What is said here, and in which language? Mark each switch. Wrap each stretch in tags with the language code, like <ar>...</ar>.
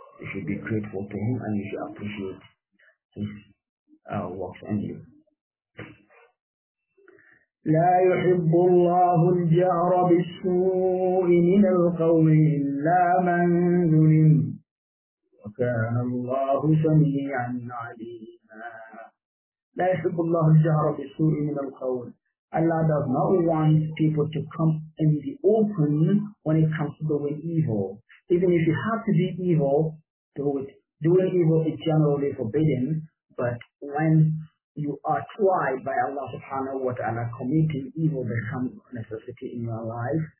<en>You should be grateful to him and you should appreciate his works on you.</en> <ar>لا يحب الله الجهر بالسوء من القوم إلا من ظلم وكان الله سميعا عليما. لا يحب الله الجهر بالسوء من القوم.</ar> <en>Allah does not want people to come in the open when it comes to doing evil. Even if you have to be evil, doing evil is generally forbidden, but when you are tried by Allah subhanahu wa ta'ala, committing evil becomes a necessity in your life.</en>